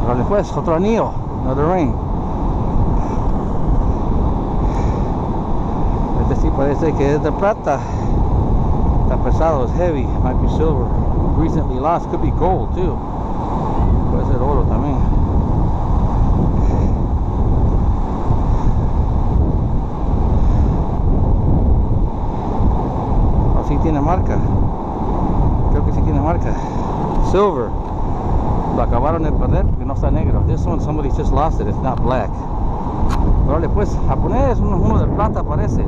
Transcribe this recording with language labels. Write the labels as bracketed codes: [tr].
[es] después, otro anillo, [en] another ring. [es] Este sí parece que es de plata. Está pesado, es [en] heavy, might be silver. Recently lost, could be gold too. [es] Puede ser oro también. Oh, sí tiene marca. Creo que sí tiene marca. Silver. Lo acabaron de perder porque no está negro. [en] This one, somebody just lost it, it's not black. [es] Vale, pues, japonés, uno de plata parece.